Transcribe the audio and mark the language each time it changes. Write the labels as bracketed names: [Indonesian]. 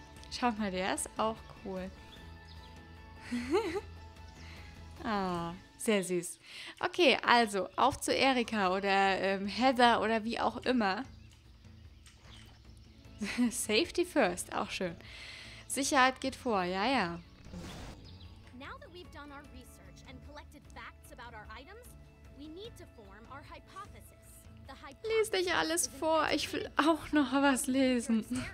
[German] Schau mal, der ist auch cool. Ah, sehr süß. Okay, also, auf zu Erika oder Heather oder wie auch immer. [English] Safety first, [German] auch schön. Sicherheit geht vor, ja. [English] Now that we've done our research and collected facts about our items, we need to form our hypothesis. [German] Lies dich alles vor, ich will auch noch was lesen.